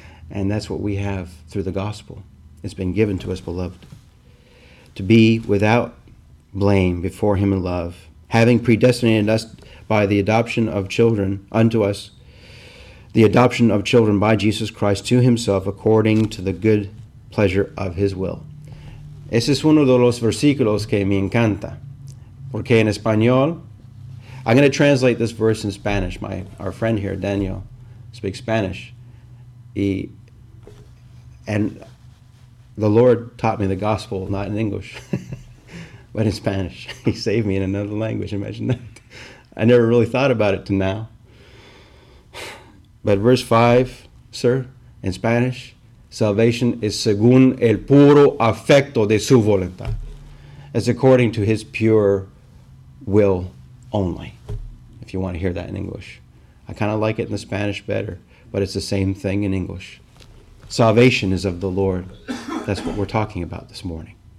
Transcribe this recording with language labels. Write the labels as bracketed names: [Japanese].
[English] And that's what we have through the gospel. It's been given to us, beloved. To be without blame before him in love, having predestinated us by the adoption of children unto us, the adoption of children by Jesus Christ to himself according to the good pleasure of his will. [Spanish] Ese es uno de los versículos que me encanta. Porque en español, [English] I'm going to translate this verse in Spanish. Our friend here, Daniel, speaks Spanish. And the Lord taught me the gospel, not in English, but in Spanish. He saved me in another language. Imagine that. I never really thought about it till now. But verse 5, sir, in Spanish, salvation is [Spanish] según el puro afecto de su voluntad. [English] It's according to his pure will only, if you want to hear that in English. I kind of like it in the Spanish better, but it's the same thing in English. Salvation is of the Lord. That's what we're talking about this morning.